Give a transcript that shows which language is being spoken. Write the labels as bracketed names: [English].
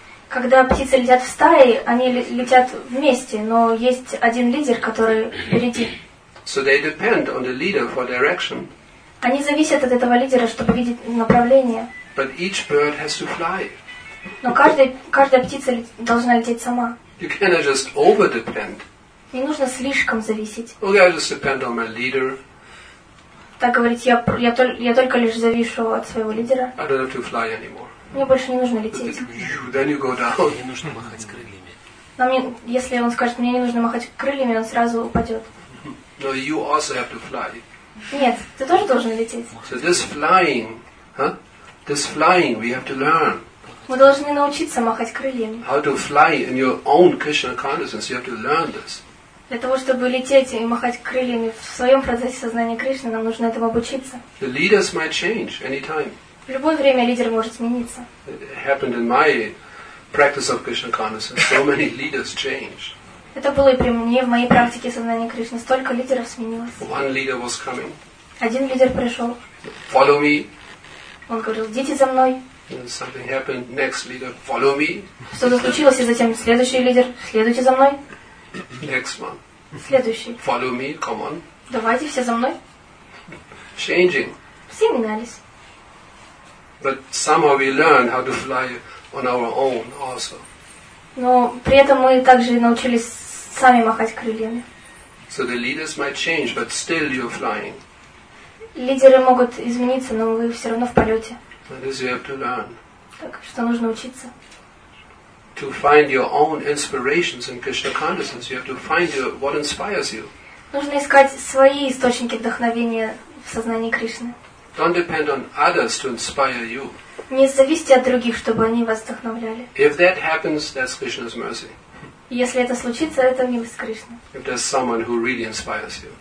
[Russian] Когда птицы летят в стае, они летят вместе, но есть один лидер, который впереди. [English] So they depend on the leader for direction. [Russian] Они зависят от этого лидера, чтобы видеть направление. [English] But each bird has to fly. [Russian] Но каждая птица должна лететь сама. [English] You cannot just over depend. [Russian] Не нужно слишком зависеть. [English] Okay, I just depend on my leader. [Russian] Так говорить, я только лишь завишу от своего лидера. [English] I don't have to fly anymore. [Russian] Мне больше не нужно лететь. [English] Then you go down. [Russian] Не нужно махать крыльями. Но мне, если он скажет, мне не нужно махать крыльями, он сразу упадет. [English] No, you also have to fly. [Russian] Нет, ты тоже должен лететь. [English] So this flying, huh? This flying, we have to learn. [Russian] Мы должны научиться махать крыльями. [English] How to fly in your own Krishna consciousness? You have to learn this. [Russian] Для того, чтобы лететь и махать крыльями в своем процессе сознания Кришны, нам нужно этому обучиться. [English] The leaders might change anytime. [Russian] В любое время лидер может смениться. [English] It happened in my practice of Krishna consciousness. So many leaders changed. [Russian] Это было и при мне, в моей практике сознания Кришны. Столько лидеров сменилось. [English] One leader was coming. [Russian] Один лидер пришел. [English] Follow me. [Russian] Он говорил, идите за мной. [English] And something happened, next leader, follow me. [Russian] Что-то случилось, и затем следующий лидер, следуйте за мной. [English] Next one. [Russian] Следующий. [English] Follow me, come on. [Russian] Давайте все за мной. [English] Changing. [Russian] Все менялись. [English] But somehow we learn how to fly on our own also. [Russian] Но при этом мы также научились сами махать крыльями. [English] So the leaders might change, but still you're flying. [Russian] Лидеры могут измениться, но вы все равно в полете. [English] And this you have to learn. [Russian] Так что нужно учиться. [English] To find your own inspirations in Krishna consciousness, you have to find your what inspires you. [Russian] Нужно искать свои источники вдохновения в сознании Кришны. [English] Don't depend on others to inspire you. [Russian] Не зависите от других, чтобы они вас вдохновляли. [English] If that happens, that's Krishna's mercy. [Russian] Если это случится, это милость Кришны. [English] If there's someone who really inspires you.